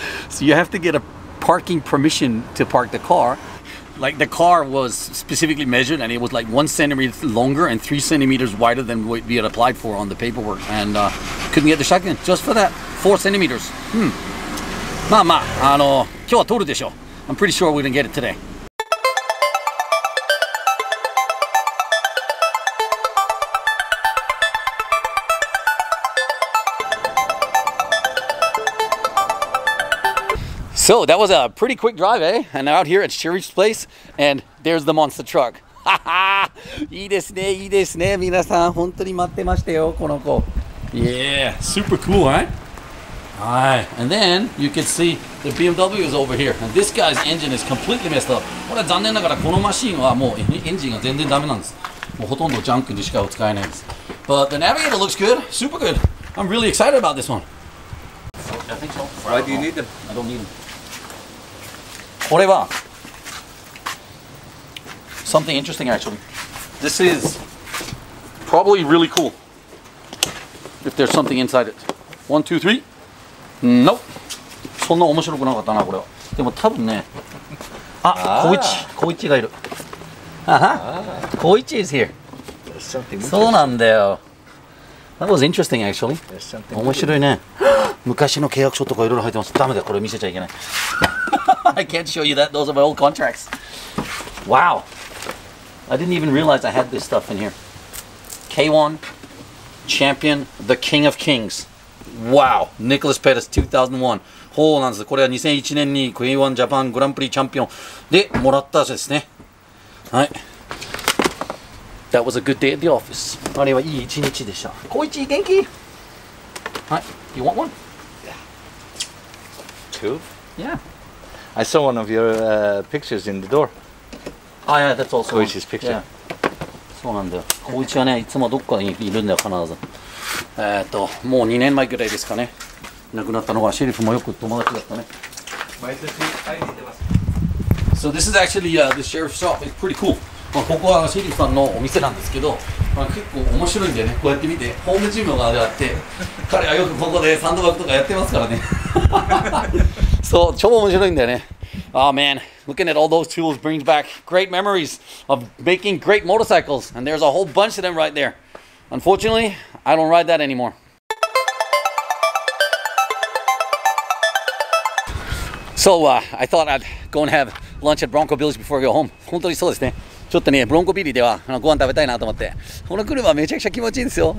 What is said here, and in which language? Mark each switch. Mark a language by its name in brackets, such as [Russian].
[English] So you have to get a parking permission to park the car. Like the car was specifically measured and it was like 1 centimeter longer and 3 centimeters wider than what we had applied for on the paperwork. And couldn't get the shotgun just for that. 4 centimeters. [Japanese] まあまあ、今日は取るでしょう。 [English] I'm pretty sure we're gonna get it today. So that was a pretty quick drive, eh? And out here at Sherry's place, and there's the monster truck. [Japanese] いいですね、いいですね。皆さん、本当に待ってましたよ、この子。 [English] Yeah, super cool, right? Alright, and then you can see the BMW is over here. And this guy's engine is completely messed up. [Japanese] これは残念ながら、このマシンはもうエンジンが全然ダメなんです。もうほとんどジャンクにしか使えないです。 [English] But the Navigator looks good, super good. I'm really excited about this one. Why do you need them? I don't need them. Something interesting actually. This is probably really cool. If there's something inside it. 1, 2, 3. Nope. [Japanese] そんな面白くなかったなこれは。でも多分ね。あ、コイチ、コイチがいる。 [English] コイチ is here. [Japanese] そうなんだよ。 [English] That was interesting actually. [Japanese] 面白いね。昔の契約書とかいろいろ入ってます。ダメだ、これ見せちゃいけない。 [English] I can't show you that. Those are my old contracts. Wow. I didn't even realize I had this stuff in here. K1, Champion, the King of Kings. Wow. Nicholas Pettas, 2001. [Japanese] ほうなんです。これは2001年に K1 ジャパングランプリチャンピオンでもらったですね。はい。 [English] That was a good day at the office. [Japanese] あれはいい一日でした。こいち、元気？はい。 [English] You want one? Cool. Yeah. I saw one of your pictures in the door. Oh yeah, that's also Koichi's picture. [Japanese] そうなんだよ。 Koichi はね、いつもどっかにいるんだよ、必ず。もう2年前ぐらいですかね。亡くなったのがシェリフもよく友達だったね。 [English] So this is actually the sheriff's shop. It's pretty cool. [Japanese] まあ、ここはシェリフさんのお店なんですけど、まあ、結構面白いんだよね。こうやって見て、ホームジムがあって、彼はよくここでサンドバッグとかやってますからね。 So, 超面白いんだよね。 [English] Oh man, looking at all those tools brings back great memories of making great motorcycles, and there's a whole bunch of them right there. Unfortunately, I don't ride that anymore. So, I thought I'd go and have lunch at Bronco Village before I go home. [Japanese] 本当にそうですね。ちょっとね、ブロンコビリではご飯食べたいなと思って。この車めちゃくちゃ気持ちいいんですよ。